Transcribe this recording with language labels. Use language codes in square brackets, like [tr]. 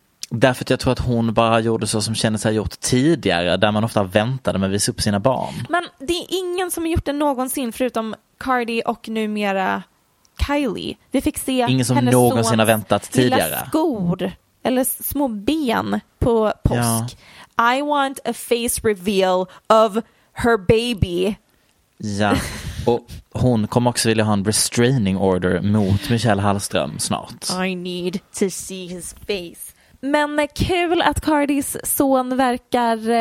[sv] Därför att jag tror att hon bara gjorde så som kändes ha gjort tidigare, där man ofta väntade med att visa upp sina barn. Men det är ingen som har gjort det någonsin förutom Cardi och numera Kylie. Vi fick se ingen som någonsin har väntat tidigare. Lilla skor. Eller små ben på påsk. Ja. [en] I want a face reveal of her baby. [sv] Ja, och hon kommer också vilja ha en restraining order mot Michelle Hallström snart. [en] I need to see his face. [sv] Men kul att Cardis son verkar...